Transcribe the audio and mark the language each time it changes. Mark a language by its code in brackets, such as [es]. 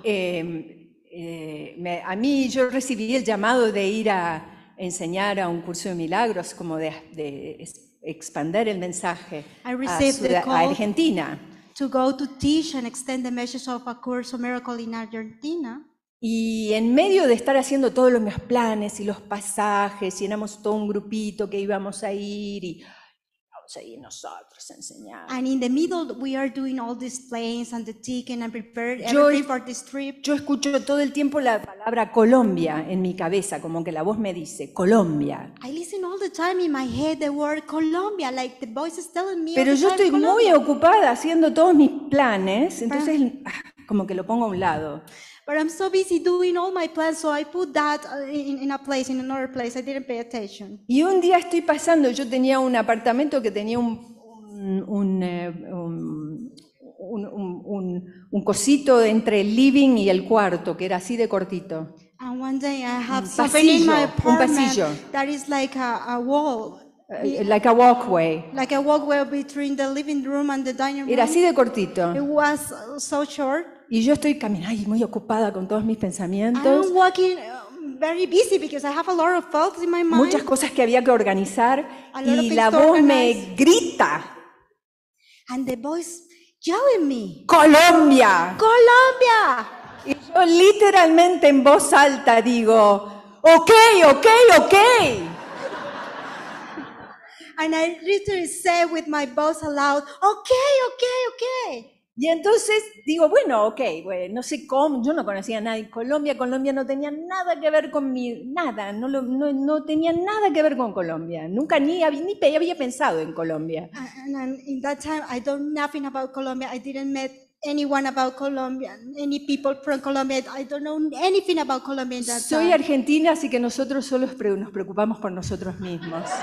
[es] A mí yo recibí el llamado de ir a enseñar a un curso de milagros, como de expandir el mensaje a Argentina. [en] To go to teach and extend the message of a course of miracle in Argentina. [es] Y en medio de estar haciendo todos los mis planes y los pasajes, y éramos todo un grupito que íbamos a ir y vamos a ir nosotros a enseñar. [en] And in the middle we are doing all these plans and the ticket and prepared everything for this trip. [es] Yo escucho todo el tiempo la palabra Colombia en mi cabeza, como que la voz me dice Colombia. [en] I listen all the time in my head the word Colombia, like the voice is telling me. [es] Pero yo estoy muy ocupada haciendo todos mis planes, entonces como que lo pongo a un lado. [en] But I'm so busy doing all my plans, so I put that in a place, in another place. I didn't pay attention. [es] Y un día estoy pasando, yo tenía un apartamento que tenía un cosito entre el living y el cuarto que era así de cortito. [en] And one day I have something in my apartment [es] un pasillo. [en] That is like a wall. like a walkway. Like a walkway between the living room and the dining room. [es] Era así de cortito. [en] It was so short. [es] Y yo estoy caminando muy ocupada con todos mis pensamientos. [en] I'm walking very busy because I have a lot of thoughts in my mind. [es] Muchas cosas que había que organizar y la voz me grita. [en] And the voice yelling me. [es] Colombia. [en] Colombia. [es] Y yo literalmente en voz alta digo, okay, okay, okay. [en] And I literally say with my voice aloud, okay, okay, okay. [es] Y entonces digo, bueno, okay, bueno, no sé cómo, yo no conocía a nadie. Colombia no tenía nada que ver con mi, nada, no tenía nada que ver con Colombia. Nunca ni había pensado en Colombia. [en] And in that time, I don't know nothing about Colombia. I didn't meet anyone about Colombia, any people from Colombia. I don't know anything about Colombia in that time. [es] Soy argentina, así que nosotros solo nos preocupamos por nosotros mismos.